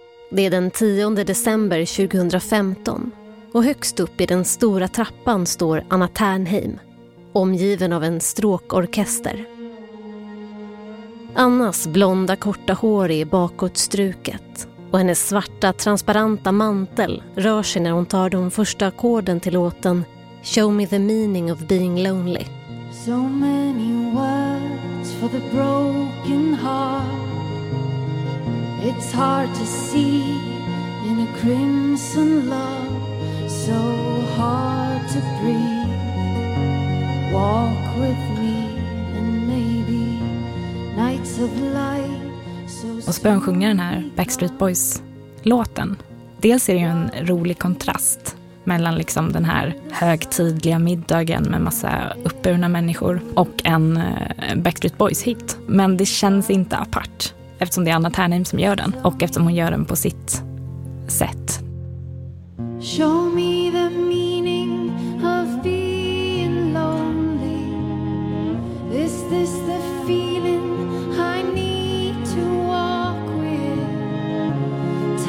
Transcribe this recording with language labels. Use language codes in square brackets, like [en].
[sv] Det är den 10 december 2015 och högst upp i den stora trappan står Anna Ternheim, omgiven av en stråkorkester. Annas blonda korta hår är bakåtstruket och hennes svarta transparenta mantel rör sig när hon tar de första ackorden till låten Show Me the Meaning of Being Lonely. [en] So many words for the broken heart. It's hard to see in a crimson love. So hard to breathe. Walk with me and maybe nights of light. [sv] So och Spön sjunger den här Backstreet Boys-låten. Dels är det ju en rolig kontrast mellan liksom den här högtidliga middagen med massa uppburna människor och en Backstreet Boys-hit. Men det känns inte apart eftersom det är Anna Ternheim som gör den och eftersom hon gör den på sitt sätt. [en] Show me the meaning of being lonely. Is this the feeling I need to walk with?